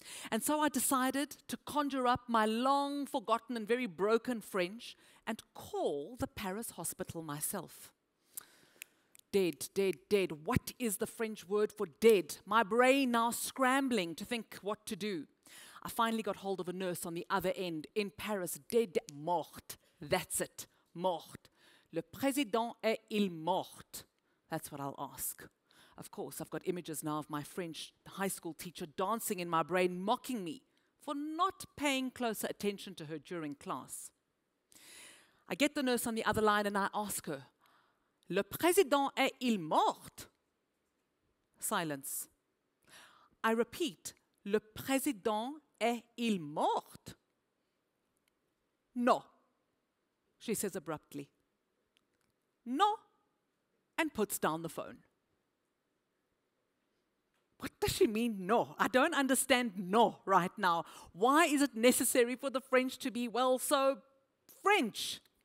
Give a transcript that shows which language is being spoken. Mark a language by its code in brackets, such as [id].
[en] And so I decided to conjure up my long-forgotten and very broken French and call the Paris hospital myself. Dead, dead, dead. What is the French word for dead? My brain now scrambling to think what to do. I finally got hold of a nurse on the other end. In Paris, dead, mort. That's it. Mort. [fr] "Le président est-il mort?" [en] That's what I'll ask. Of course, I've got images now of my French high school teacher dancing in my brain, mocking me for not paying closer attention to her during class. I get the nurse on the other line and I ask her, [fr] "Le président est-il mort?" [en] Silence. I repeat, [fr] le président est-il mort? [en] No, she says abruptly. No, and puts down the phone. What does she mean, no? I don't understand no right now. Why is it necessary for the French to be, well, so French?